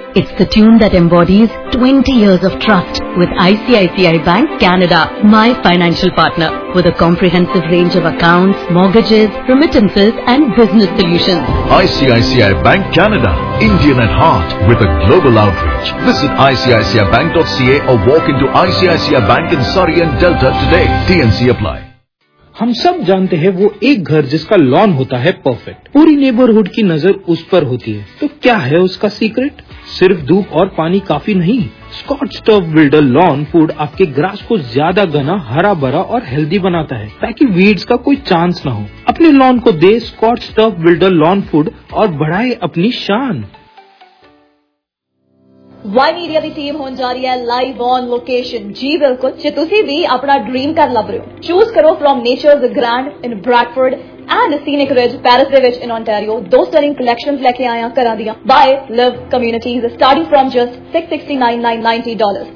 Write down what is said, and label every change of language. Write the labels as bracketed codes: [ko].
[en] It's the tune that embodies 20 years of trust with ICICI Bank Canada, my financial partner, with a comprehensive range of accounts, mortgages, remittances and business solutions. ICICI Bank Canada, Indian at heart with a global outreach. Visit icicibank.ca or walk into ICICI Bank in Surrey and Delta today. TNC apply. [hi] हम सब जानते हैं वो एक घर जिसका lawn होता है परफेक्ट, पूरी नेबरहुड की नज़र उस पर होती है, तो क्या है उसका सीक्रेट? सिर्फ धूप और पानी काफी नहीं, Scott turf builder lawn food आपके ग्रास को ज्यादा घना, हरा भरा और हेल्दी बनाता है ताकि वीड्स का कोई चांस ना हो। अपने लॉन को दे Scott turf builder lawn food और बढ़ाए अपनी शान। [pa] Y Media ਦੀ ਟੀਮ ਹੋਣ ਜਾ ਰਹੀ ਹੈ ਲਾਈਵ ਔਨ ਲੋਕੇਸ਼ਨ। ਜੀ ਬਿਲਕੁਲ, ਜੇ ਤੁਸੀਂ ਵੀ ਆਪਣਾ ਡ੍ਰੀਮ ਘਰ ਲੱਭ ਰਹੇ ਹੋ, ਚੂਜ਼ ਕਰੋ from nature's grand in Bradford and scenic ridge Paris ਦੇ ਵਿੱਚ ਇਨ ਓਨਟਾਰੀਓ। ਦੋ ਸਟਨਿੰਗ ਕਲੈਕਸ਼ਨਸ ਲੈ ਕੇ ਆਇਆ ਘਰਾਂ ਦੀਆਂ, bye Liv communities starting from just $669,990।